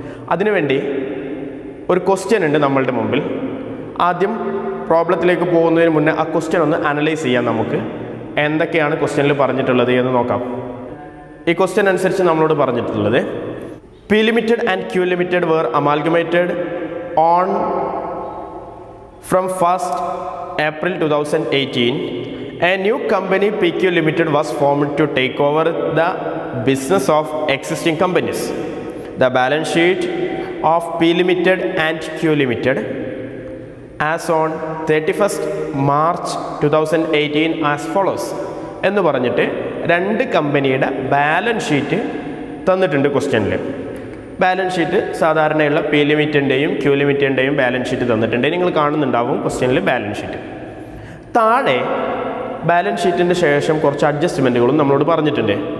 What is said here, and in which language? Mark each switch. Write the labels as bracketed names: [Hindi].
[Malayalam] അതിനുവേണ്ടി ഒരു ക്വസ്റ്റ്യൻ ഉണ്ട് നമ്മളുടെ മുമ്പിൽ. ആദ്യം പ്രോബ്ലത്തിലേക്ക് പോകുന്നതിന് മുന്നേ ആ ക്വസ്റ്റ്യൻ ഒന്ന് അനലൈസ് ചെയ്യാം. നമുക്ക് എന്തൊക്കെയാണ് ക്വസ്റ്റ്യനിൽ പറഞ്ഞിട്ടുള്ളത് എന്ന് നോക്കാം. ഈ ക്വസ്റ്റ്യൻ അനുസരിച്ച് നമ്മളോട് പറഞ്ഞിട്ടുള്ളത് [English] P limited and Q limited were amalgamated on from 1st April 2018. A new company PQ Limited was formed to take over the business of existing companies. The balance sheet of P Limited and Q Limited as on 31st March 2018 as follows. [Malayalam] എന്ന് പറഞ്ഞിട്ട് രണ്ട് കമ്പനിയുടെ balance sheet തന്നിട്ടുണ്ട് ക്വസ്റ്റ്യനിൽ. Balance sheet സാധാരണയുള്ള P ലിമിറ്റിൻ്റെയും Q ലിമിറ്റിൻ്റെയും balance sheet തന്നിട്ടുണ്ട്. നിങ്ങൾ കാണുന്നുണ്ടാവും ക്വസ്റ്റ്യനിൽ ബാലൻസ് ഷീറ്റ്. താഴെ ബാലൻസ് ഷീറ്റിൻ്റെ ശേഷം കുറച്ച് അഡ്ജസ്റ്റ്മെൻറ്റുകളും നമ്മളോട് പറഞ്ഞിട്ടുണ്ട്.